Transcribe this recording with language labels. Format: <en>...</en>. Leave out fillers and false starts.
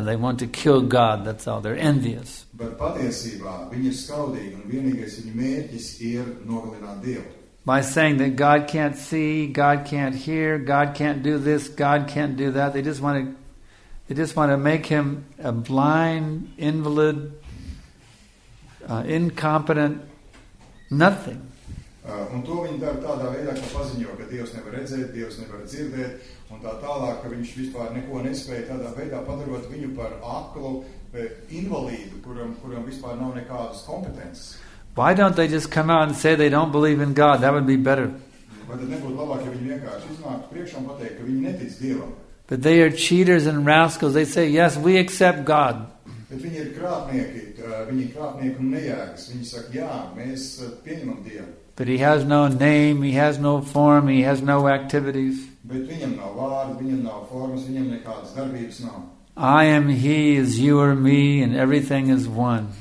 <en>They want to kill God, that's all. They're envious. By saying that God can't see, God can't hear, God can't do this, God can't do that. They just want to make him a blind, invalid, incompetent, nothing.</en> <lv>Un to viņi dara tādā veidā, ka paziņo, ka Dievs nevar redzēt, Dievs nevar dzirdēt, un tā tālāk, ka viņš vispār neko nespēja tādā veidā padarot viņu par aklu, invalīdu, kuram vispār nav nekādas kompetences.</lv> <en>Why don't they just come out and say they don't believe in God? That would be better.</en> <lv>Vai tad nebūtu labāk, ja viņi vienkārši iznāktu priekšā un pateikt, ka viņi netic Dievam?</lv> <en>But they are cheaters and rascals. They say, yes, we accept God.</en> <lv>Bet viņi ir krāpnieki, viņi krāpnieki un nejēgas. Viņi saka, jā, mēs pieņemam Dievu.</lv> <en>But he has no name, he has no form, he has no activities.</en> <lv>Bet viņam nav vārdu, viņam nav formas, viņam nekādas darbības nav.</lv> <en>I am he, as you are me, and everything is one.</en>